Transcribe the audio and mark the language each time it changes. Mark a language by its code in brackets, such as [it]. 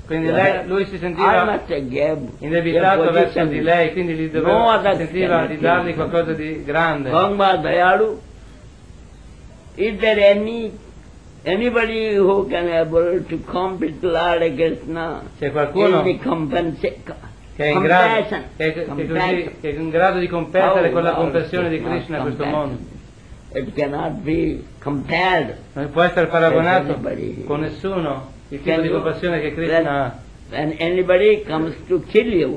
[it] Quindi lui si sentiva indebitato verso di lei, quindi gli doveva sentiva di dargli qualcosa di grande. [en] Gangma Dayalu, is there anybody who can able to compete Lord Krishna? [it] C'è qualcuno [en] in the compensation? [it] Che è in grado di competere con la compassione di Krishna in questo mondo? [en] It cannot be compared. [it] Non può essere paragonato con nessuno il tipo di compassione che Krishna ha. [en] When anybody comes to kill you,